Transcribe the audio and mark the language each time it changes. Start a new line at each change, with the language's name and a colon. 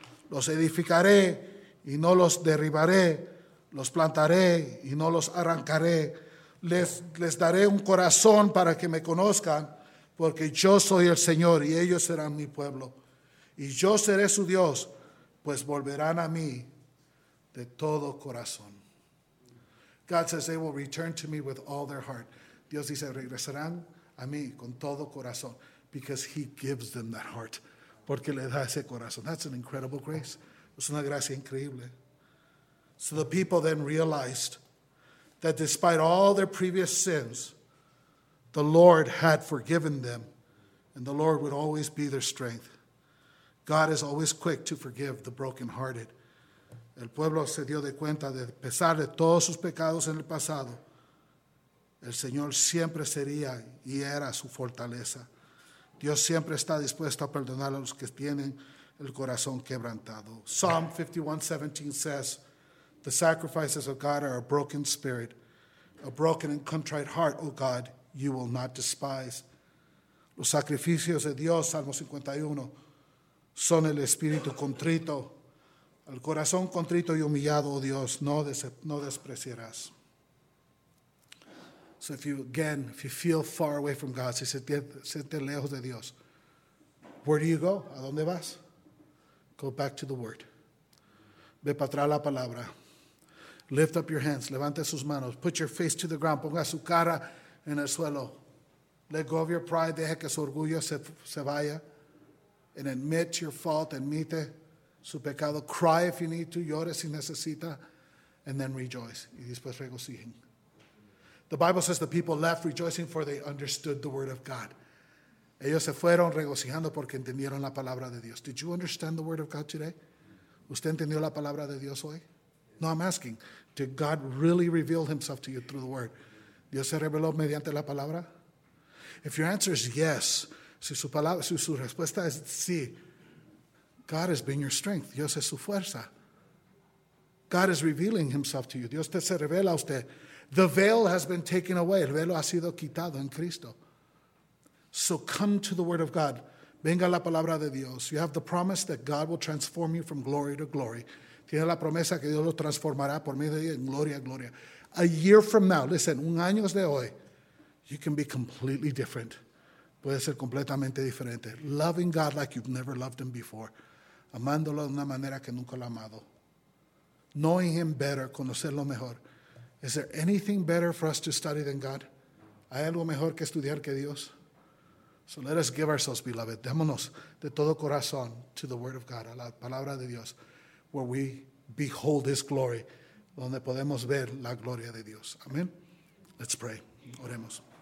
Spanish: Los edificaré y no los derribaré, los plantaré y no los arrancaré. Les daré un corazón para que me conozcan, porque yo soy el Señor y ellos serán mi pueblo. Y yo seré su Dios, pues volverán a mí de todo corazón.
English: God says they will return to me with all their heart.
Spanish: Dios dice, regresarán a mí con todo corazón.
English: Because he gives them that heart.
Spanish: Porque le da ese corazón.
English: That's an incredible grace.
Spanish: Es una gracia increíble.
English: So the people then realized that despite all their previous sins, the Lord had forgiven them. And the Lord would always be their strength. God is always quick to forgive the brokenhearted.
Spanish: El pueblo se dio de cuenta de pesar de todos sus pecados en el pasado. El Señor siempre sería y era su fortaleza. Dios siempre está dispuesto a perdonar a los que tienen el corazón quebrantado.
English: Psalm 51:17 says, "The sacrifices of God are a broken spirit, a broken and contrite heart, O God, you will not despise."
Spanish: Los sacrificios de Dios, Salmo 51, son el espíritu contrito. Al corazón contrito y humillado, oh Dios, no despreciarás.
English: So if you feel far away from God,
Spanish: si se siente lejos de Dios,
English: where do you go?
Spanish: ¿A dónde vas?
English: Go back to the Word.
Spanish: Ve para atrás la palabra.
English: Lift up your hands.
Spanish: Levante sus manos.
English: Put your face to the ground.
Spanish: Ponga su cara en el suelo.
English: Let go of your pride.
Spanish: Deje que su orgullo se vaya.
English: And admit your fault.
Spanish: Admite su pecado.
English: Cry if you need to.
Spanish: Llore si necesita.
English: And then rejoice.
Spanish: Y después regocijen.
English: The Bible says the people left rejoicing for they understood the word of God.
Spanish: Ellos se fueron regocijando porque entendieron la palabra de Dios.
English: Did you understand the word of God today?
Spanish: ¿Usted entendió la palabra de Dios hoy?
English: No, I'm asking. Did God really reveal himself to you through the word?
Spanish: ¿Dios se reveló mediante la palabra?
English: If your answer is yes,
Spanish: si su respuesta es sí,
English: God has been your strength.
Spanish: Dios es su fuerza.
English: God is revealing himself to you.
Spanish: Dios te se revela a usted.
English: The veil has been taken away.
Spanish: El velo ha sido quitado en Cristo.
English: So come to the word of God.
Spanish: Venga la palabra de Dios.
English: You have the promise that God will transform you from glory to glory.
Spanish: Tiene la promesa que Dios lo transformará por medio de ella en gloria, gloria.
English: A year from now, listen,
Spanish: un año de hoy,
English: you can be completely different.
Spanish: Puede ser completamente diferente.
English: Loving God like you've never loved him before.
Spanish: Amándolo de una manera que nunca lo ha amado.
English: Knowing him better,
Spanish: conocerlo mejor.
English: Is there anything better for us to study than God?
Spanish: ¿Hay algo mejor que estudiar que Dios?
English: So let us give ourselves, beloved.
Spanish: Démonos de todo corazón
English: to the word of God,
Spanish: a la palabra de Dios,
English: where we behold his glory,
Spanish: donde podemos ver la gloria de Dios.
English: Amen. Let's pray.
Spanish: Oremos.